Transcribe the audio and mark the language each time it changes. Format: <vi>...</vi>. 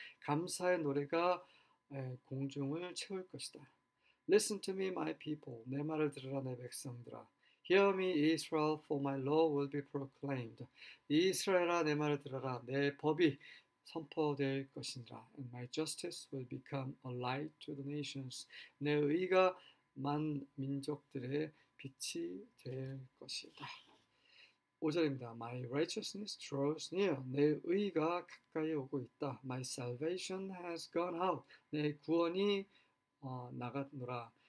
<ko>감사의 노래가 공중을 채울 것이다.</ko> <en>Listen to me, my people.</en> <ko>내 말을 들으라, 내 백성들아.</ko> <en>Hear me, Israel, for my law will be proclaimed.</en> <ko>이스라엘아, 내 말을 들어라. 내 법이 선포될 것이니라.</ko> <en>And my justice will become a light to the nations.</en> <ko>내 의가 만 민족들의 빛이 될 것이다. 5절입니다.</ko> <en>My righteousness draws near.</en> <ko>내 의가 가까이 오고 있다.</ko> <en>My salvation has gone out.</en> <ko>내 구원이 나갔노라.</ko>